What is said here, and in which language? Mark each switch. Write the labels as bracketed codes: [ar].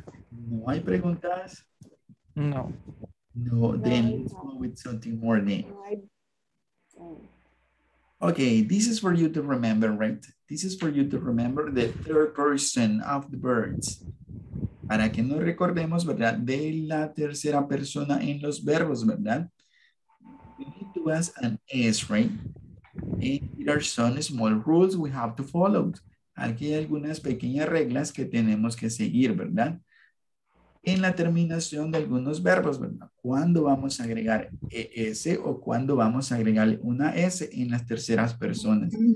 [es] No hay preguntas? No. [en] No, then let's go with something more then. Okay, this is for you to remember, right? This is for you to remember the third person of the verbs. [es] Para que nos recordemos, ¿verdad? De la tercera persona en los verbos, ¿verdad? [en] We need to ask an S, right? And there are some small rules we have to follow. [es] Aquí hay algunas pequeñas reglas que tenemos que seguir, ¿verdad? En la terminación de algunos verbos, ¿verdad? ¿Cuándo vamos a agregar ES o cuándo vamos a agregar una S en las terceras personas?